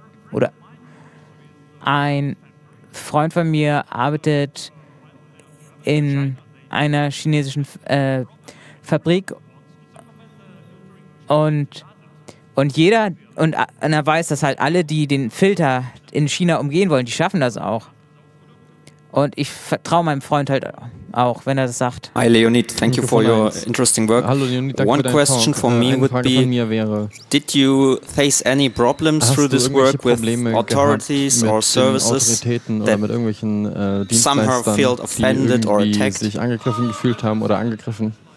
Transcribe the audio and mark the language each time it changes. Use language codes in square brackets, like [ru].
[de] Oder ein Freund von mir arbeitet in einer chinesischen Fabrik und er weiß, dass halt alle, die den Filter in China umgehen wollen, die schaffen das auch. Und ich vertraue meinem Freund halt auch, wenn er das sagt. [en] Hi Leonid, thank you for your interesting work. [de] Hallo Leonid, danke. [en] One question for me would be, did you face any problems through this work with authorities or services that somehow felt offended or attacked? [de] Sich angegriffen gefühlt haben oder angegriffen?